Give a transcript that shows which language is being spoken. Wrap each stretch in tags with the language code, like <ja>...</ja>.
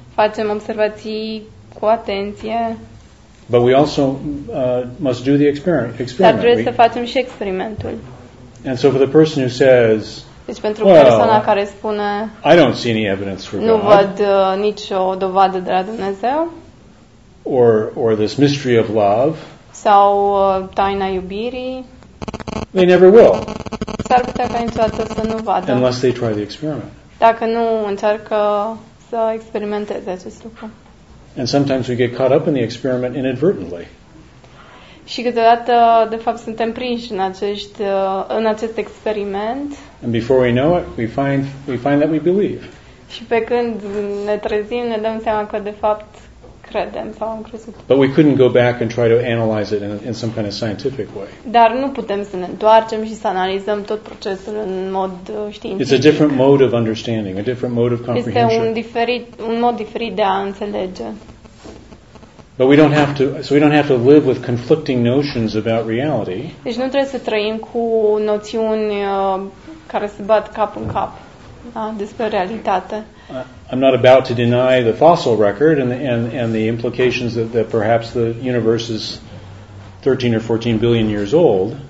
<ro>Facem observații cu atenție.</ro> <en>But we also must do the experiment.</en> <ro>Dar trebuie să facem și experimentul.</ro> <en>And so for the person who says,</en> <ro>deci pentru persoana care spune,</ro> <en>I don't see any evidence for God.</en> <ro>Nu văd nicio dovadă de la Dumnezeu.</ro> <en>Or this mystery of love.</en> <ro>Sau taina iubirii.</ro> <en>They never will.</en> <ro>S-ar putea ca niciodată să nu vadă.</ro> <en>Unless they try the experiment.</en> <ro>Dacă nu încearcă să experimenteze acest lucru.</ro> <en>And sometimes we get caught up in the experiment inadvertently.</en> <ro>Și câteodată, de fapt, suntem prinși în acest experiment.</ro> <en>And before we know it, we find that we believe.</en> <ro>Și pe când ne trezim, ne dăm seama că, de fapt, credem sau am crezut.</ro> <en>But we couldn't go back and try to analyze it in some kind of scientific way.</en> <ro>Dar nu putem să ne întoarcem și să analizăm tot procesul în mod științific.</ro> <en>It's a different mode of understanding, a different mode of comprehension.</en> <ro>Este un mod diferit de a înțelege.</ro> <en>But we don't have to, so we don't have to live with conflicting notions about reality.</en> <ro>Deci nu trebuie să trăim cu noțiuni care se bat cap în cap, da, despre realitate.</ro> <en>I'm not about to deny the fossil record and the implications that, that perhaps the universe is 13 or 14 billion years old.</en>